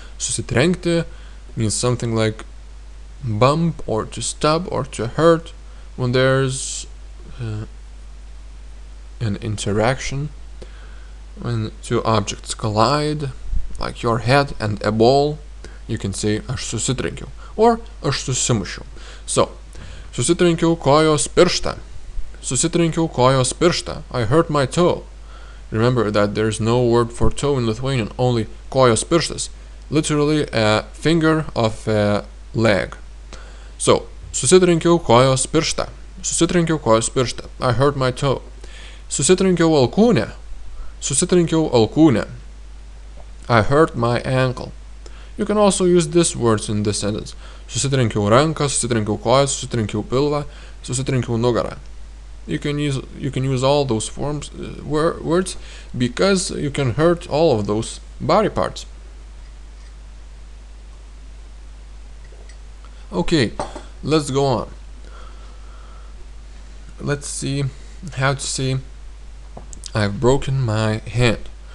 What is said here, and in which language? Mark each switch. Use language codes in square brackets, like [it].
[en] Susitrenkti means something like bump or to stab or to hurt when there's an interaction, when two objects collide, like your head and a ball. You can say [lt] aš susitrenkiau or aš susimušiau. So, susitrenkiau kojos pirštą. Susitrenkiau kojos pirštą. [en] I hurt my toe. Remember that there is no word for toe in Lithuanian, only [lt] kojos pirštas. [en] Literally a finger of a leg. [lt] So, susitrenkiau kojos pirštą. Susitrenkiau kojos pirštą. [en] I hurt my toe. [lt] Susitrenkiau alkūnę. Susitrenkiau alkūnę. [en] I hurt my ankle. You can also use these words in this sentence. [lt] Susitrenkiau ranką, susitrenkiau koją, susitrenkiau pilvą, susitrenkiau nugarą. [en] You can use all those forms words because you can hurt all of those body parts. Okay, let's go on. Let's see how to say I've broken my hand.